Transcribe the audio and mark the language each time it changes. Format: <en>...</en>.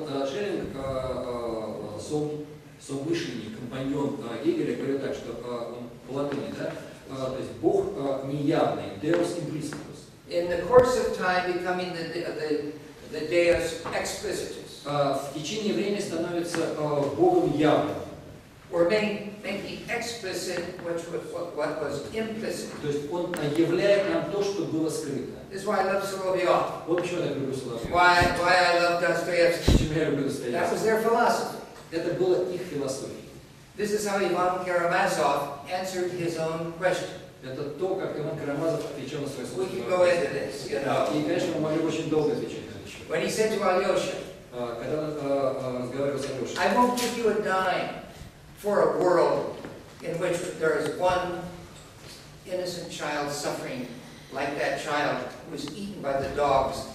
<ru>Шеллинг, совмышленник, компаньон Гегеля, говорит так, что он по латыни, да? То есть Бог неявный, Deus implicitus.</ru> <en>In the course of time becoming the Deus explicitus.</en> <ru>В течение времени становится Богом явным.</ru> <en>Or making explicit what was implicit.</en> <ru>То есть он являет нам то, что было скрыто.</ru> <en>This is why I love Soloviov.</en> <ru>Вот почему я люблю Соловьёва.</ru> <en>Why I love Dostoevsky.</en> <ru>Почему я люблю Достоевского.</ru> <en>That was their philosophy.</en> <ru>Это было их философией.</ru> <en>This is how Ivan Karamazov answered his own question.</en> <ru>Это то, как Иван Карамазов отвечал на свой вопрос.</ru> <en>We can go into this, you know.</en> <ru>И, конечно, мы могли очень долго отвечать на это.</ru> <en>When he said to Alyosha,</en> <ru>когда он разговаривал с Алёшей,</ru> <en>I won't give you a dime for a world in which there is one innocent child suffering. Like that child who was eaten by the dogs</en>